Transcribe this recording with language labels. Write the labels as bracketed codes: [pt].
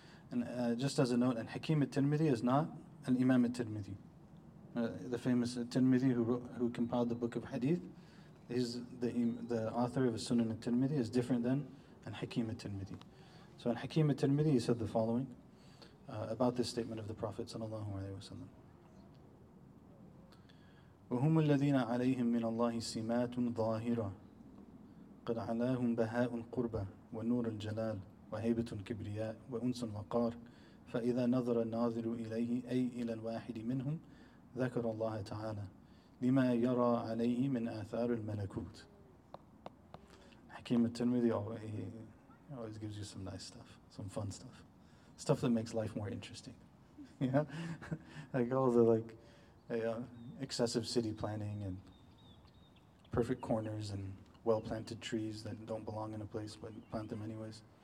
[en] And just as a note, Al-Hakim al-Tirmidhi is not an Imam al-Tirmidhi. The famous al-Tirmidhi who compiled the book of Hadith, he's the author of a Sunan al-Tirmidhi, is different than Al-Hakim al-Tirmidhi. So Al-Hakim al-Tirmidhi, he said the following about this statement of the Prophet sallallahu alayhi wa sallam. [ar] وهم الذين عليهم من الله سمات ظاهرة قد علاهم بهاء قربة ونور الجلال وهيبة كبرياء وأنس وقار فإذا نظر الناظر إليه أي إلى الواحد منهم ذكر الله تعالى لما يرى عليه من آثار الملكوت. [en] حكيم الترمذي always gives you some nice stuff, some fun stuff, stuff that makes life more interesting. Yeah, like all the excessive city planning and perfect corners and well-planted trees that don't belong in a place but plant them anyways.